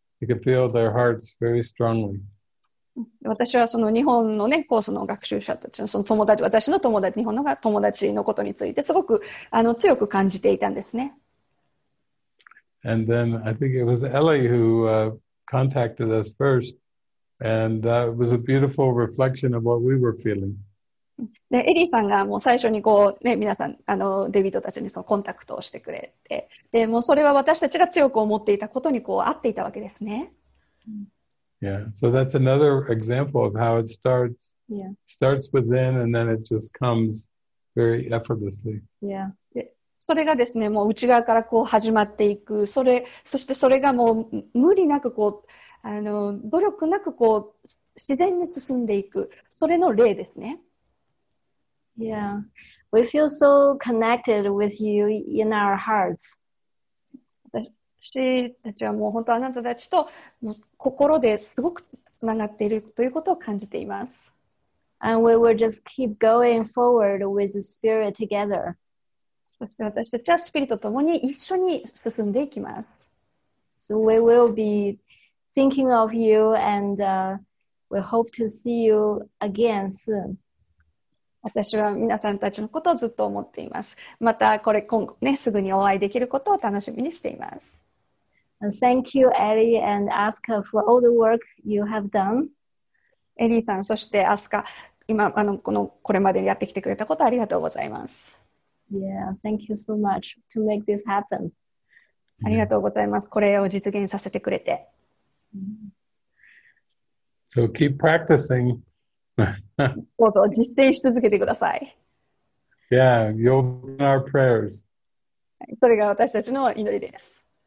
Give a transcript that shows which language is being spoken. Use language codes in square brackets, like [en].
[en] I can feel their hearts very strongly. [ja] 私はその日本のね、コースの学習者たちの、その友達、私の友達、日本の友達のことについて、すごく強く感じていたんですね。 [en] And then I think it was Ellie who contacted us first. And it was a beautiful reflection of what we were feeling. [ja] で、エリーさんがもう最初にこうね、皆さんデビッドたちにそのコンタクトをしてくれて、でもうそれは私たちが強く思っていたことにこう合っていたわけですね。 [en] Yeah, so that's another example of how it starts. Yeah. Starts within and then it just comes very effortlessly. Yeah. [ja] で、それがですね、もう内側からこう始まっていく、それそしてそれがもう無理なくこう努力なくこう自然に進んでいく、それの例ですね。 [en] Yeah, we feel so connected with you in our hearts. [ja] 私たちはもう本当あなたたちともう心ですごくつながっているということを感じています。 [en] And we will just keep going forward with the spirit together. [ja] そして私たちはスピリットともに一緒に進んでいきます。 [en] So we will beThinking of you, and we hope to see you again soon. [ja] 私は皆さんたちのことをずっと思っています。またこれ今後ね、すぐにお会いできることを楽しみにしています。 [en] And thank you, Ellie and Asuka, for all the work you have done. [ja] Ellie さん、そして Asuka、今これまでやってきてくれたことありがとうございます。 [en] Yeah, thank you so much to make this happen. [ja] ありがとうございます。これを実現させてくれて。 [en] So keep practicing. [ja] どうぞ実践し続けてください。 [en] Yeah, you'll be in our prayers. [ja] それが私たちの祈りです。